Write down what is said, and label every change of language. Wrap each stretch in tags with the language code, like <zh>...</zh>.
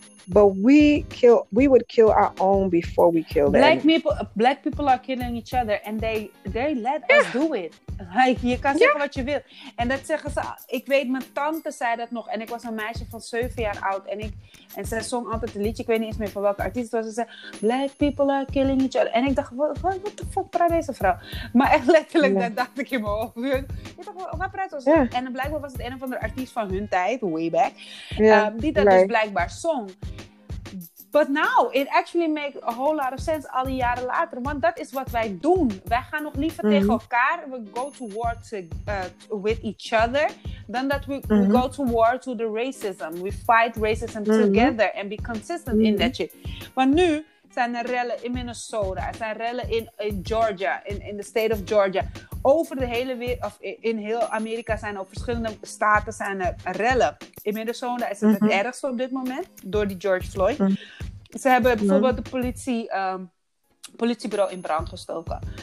<en>But we would kill our own before we kill them. Black people are killing each other and they let us do it.</en> <nl>Like, je kan zeggen wat je wil. En dat zeggen ze, ik weet, mijn tante zei dat nog. En ik was een meisje van 7 jaar oud. En ze zong altijd een liedje, ik weet niet eens meer van welke artiest het was. Ze zei,</nl> <en>black people are killing each other.</en> <nl>En ik dacht,</nl> <en>what the fuck</en> <nl>praat deze vrouw? Maar echt letterlijk, dat dacht ik in mijn hoofd. Ik dacht, wat praat ze? En blijkbaar was het een of andere artiest van hun tijd, way back. Die dat dus blijkbaar zong.</nl> <en>But now, it actually makes a whole lot of sense</en> <nl>al die jaren later. Want dat is wat wij doen. Wij gaan nog liever tegen elkaar.</nl> <en>We go to war with each other. Than that we go to war to the racism. We fight racism together and be consistent in that shit.</en> <nl>Want nu zijn er rellen in Minnesota. Er zijn rellen in Georgia.</nl> <en>In the state of Georgia.</en> <nl>Over de hele wereld, of in heel Amerika zijn er op verschillende staten zijn er rellen. In Minnesota is het het ergste op dit moment, door die George Floyd. Ze hebben bijvoorbeeld de politiebureau in brand gestoken.</nl>